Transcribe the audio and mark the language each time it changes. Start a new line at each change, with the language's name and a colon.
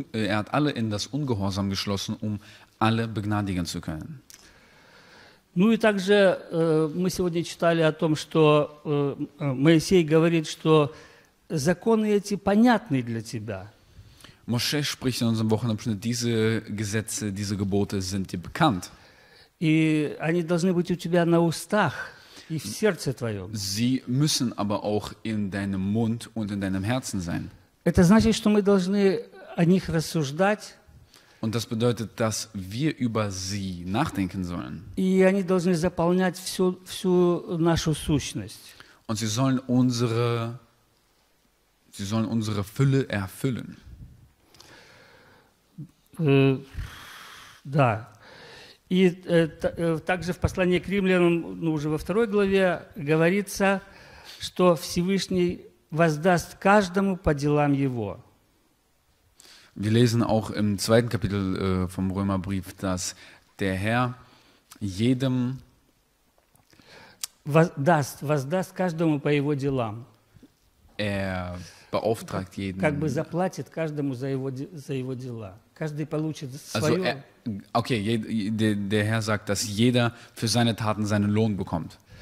German: Er hat alle in das Ungehorsam geschlossen, um alle begnadigen zu können.
Russian: Ну и также мы сегодня читали о том, что Моисей говорит, что законы эти понятны для тебя.
German: Моше spricht in unserem Wochenabschnitt, diese Gesetze, diese Gebote sind dir bekannt.
Russian: И они должны быть у тебя на устах.
German: Sie müssen aber auch in deinem Mund und in deinem Herzen sein.
Russian: Это значит, что мы должны о них рассуждать.
German: Und das bedeutet, dass wir über sie nachdenken sollen.
Russian: И они должны заполнять всю нашу сущность.
German: Und sie sollen unsere Fülle erfüllen.
Russian: Да. И также в послании к Римлянам, ну уже во второй главе, говорится, что Всевышний воздаст каждому по делам его.
German: Wir lesen auch im zweiten Kapitel vom Römerbrief, dass der Herr jedem
Russian: воздаст каждому по его делам.
German: Er beauftragt jeden.
Russian: Как бы заплатит каждому за его дела. Каждый получит свое.
German: Okay, der Herr sagt, dass jeder für seine Taten seinen Lohn bekommt.